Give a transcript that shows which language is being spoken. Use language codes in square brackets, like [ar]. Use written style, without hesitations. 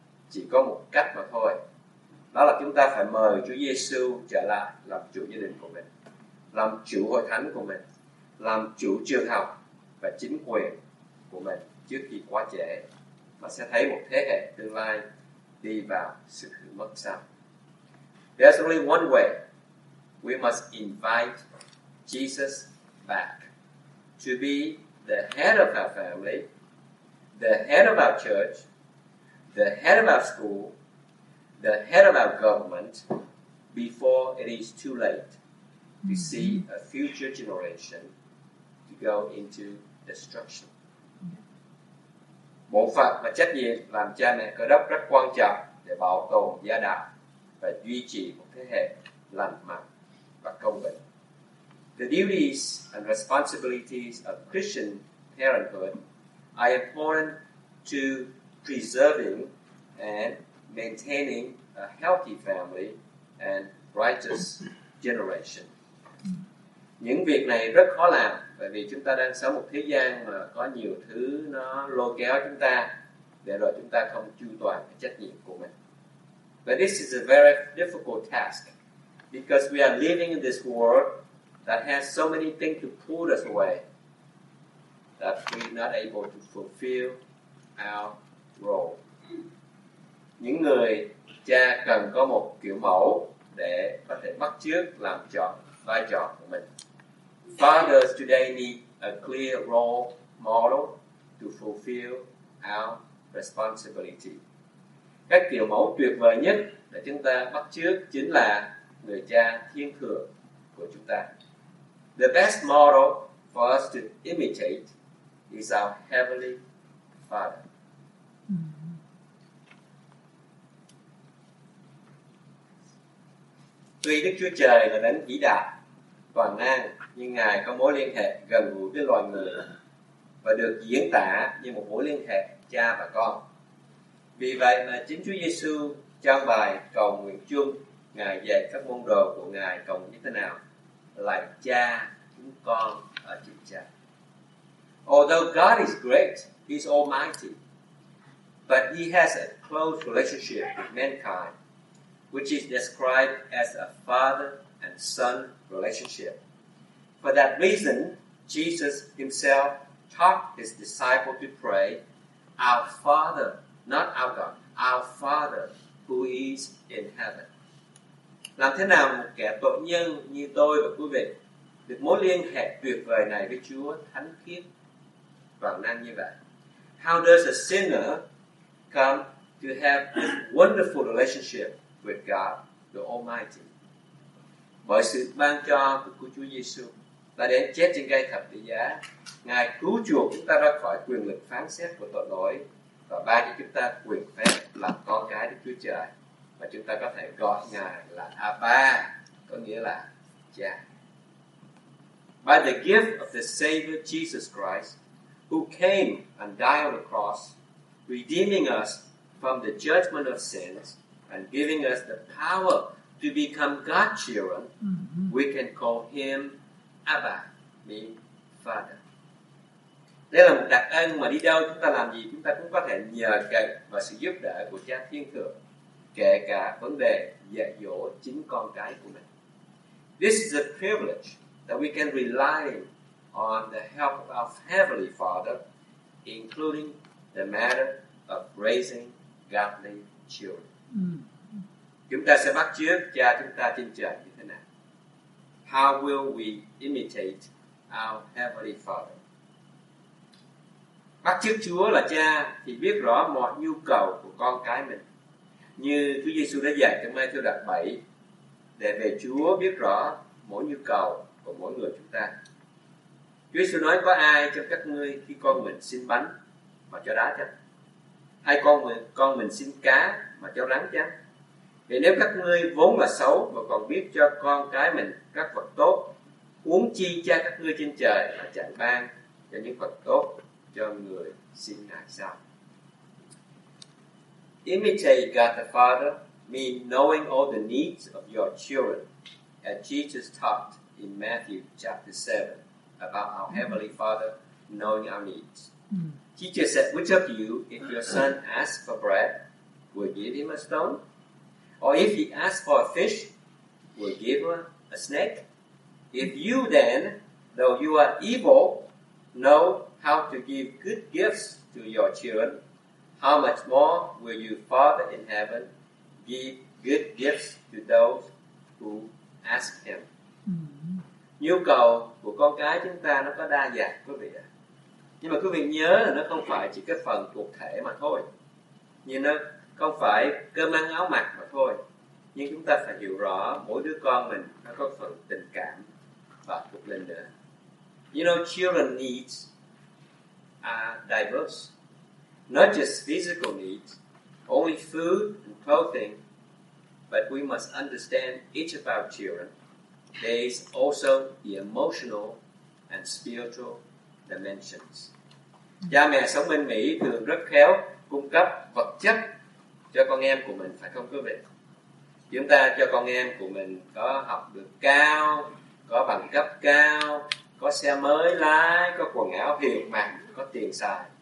[vi] Chỉ có một cách mà thôi. Đó là chúng ta phải mời Chúa Giê-xu trở lại làm chủ gia đình của mình, làm chủ hội thánh của mình, làm chủ trường học và chính quyền của mình trước khi quá trễ, mà sẽ thấy một thế hệ tương lai đi vào sự mất sau. [en] There's only one way we must invite Jesus back to be the head of our family, the head of our church, the head of our school, the head of our government, before it is too late to see a future generation to go into destruction. [vi] Bổn phận và trách nhiệm làm cha mẹ Cơ Đốc rất quan trọng để bảo tồn gia đạo và duy trì một thế hệ lành mạnh và công bình. [en] The duties and responsibilities of Christian parenthood are important to preserving and maintaining a healthy family and righteous generation. [vi] Những việc này rất khó làm, bởi vì chúng ta đang sống một thế gian mà có nhiều thứ nó lôi kéo chúng ta, để rồi chúng ta không chu toàn cái trách nhiệm của mình. [en] But this is a very difficult task, because we are living in this world that has so many things to pull us away, that we're not able to fulfill our role. [vi] Những người cha cần có một kiểu mẫu để có thể bắt chước làm chọn vai trò của mình. [en] Fathers today need a clear role model to fulfill our responsibility. [vi] Cái kiểu mẫu tuyệt vời nhất để chúng ta bắt chước chính là người cha thiên thượng của chúng ta. [en] The best model for us to imitate is our Heavenly Father. [vi] Tuy Đức Chúa Trời là đấng vĩ đại, toàn năng, nhưng Ngài có mối liên hệ gần gũi với loài người và được diễn tả như một mối liên hệ cha và con. Vì vậy mà chính Chúa Giêsu trong bài cầu nguyện chung, Ngài dạy các môn đồ của Ngài cầu như thế nào? Là cha chúng con ở trên trời. [en] Although God is great, He's almighty, but He has a close relationship with mankind, which is described as a father and son relationship. For that reason, Jesus himself taught his disciples to pray, "Our Father," not "our God," "our Father who is in heaven." [vi] Làm thế nào một kẻ tội nhân như tôi và quý vị được mối liên hệ tuyệt vời này với Chúa thánh khiết toàn năng như vậy? [en] How does a sinner come to have this wonderful relationship with God, the Almighty? [vi] Bởi sự ban cho của Chúa Giêsu đã đến chết trên cây thập tự giá, Ngài cứu chuộc chúng ta ra khỏi quyền lực phán xét của tội lỗi và ban cho chúng ta quyền phép làm con cái Đức Chúa Trời, và chúng ta có thể gọi Ngài là Abba, có nghĩa là cha. [en] By the gift of the Savior Jesus Christ, who came and died on the cross, redeeming us from the judgment of sins and giving us the power to become God's children, we can call him Abba, mean Father. [vi] Đây là một đặc ân mà đi đâu chúng ta làm gì chúng ta cũng có thể nhờ cậy và sự giúp đỡ của cha thiên thượng, kể cả vấn đề dạy dỗ chính con cái của mình. [en] This is a privilege that we can rely on the help of Heavenly Father, including the matter of raising godly children. [vi] Chúng ta sẽ bắt chước cha chúng ta trên trời như thế nào? [en] How will we imitate our Heavenly Father? [vi] Bắt chước Chúa là cha thì biết rõ mọi nhu cầu của con cái mình, như Chúa Giêsu đã dạy trong Matthew đoạn 7, để về Chúa biết rõ mỗi nhu cầu của mỗi người chúng ta. Chúa Giêsu nói, có ai trong các ngươi khi con mình xin bánh mà cho đá chăng? Hay con mình xin cá mà cho rắn chăng? Vì nếu các ngươi vốn là xấu mà còn biết cho con cái mình các vật tốt, huống chi cha các ngươi trên trời là chẳng ban cho những vật tốt cho người xin Ngài sao? [en] Imitate God the Father means knowing all the needs of your children, as Jesus taught in Matthew chapter 7 about our Heavenly Father knowing our needs. Teacher said, which of you, if your son asks for bread, will give him a stone? Or if he asks for a fish, will give him a snake? If you then, though you are evil, know how to give good gifts to your children, how much more will your Father in heaven give good gifts to those who ask him? [vi] Nhu cầu của con cái chúng ta nó có đa dạng quý vị ạ. Nhưng mà quý vị nhớ là nó không phải chỉ cái phần thuộc thể mà thôi. Như nó không phải cơm ăn áo mặc mà thôi. Nhưng chúng ta phải hiểu rõ mỗi đứa con mình nó có phần tình cảm và thuộc linh nữa. [en] You know, children needs are diverse. Not just physical needs, only food and clothing, but we must understand each of our children. There is also the emotional and spiritual dimensions. [vi] Cha mẹ sống bên Mỹ thường rất khéo cung cấp vật chất cho con em của mình, phải không quý vị? Chúng ta cho con em của mình có học được cao, có bằng cấp cao, có xe mới lái, có quần áo hiệu mặc, có tiền xài.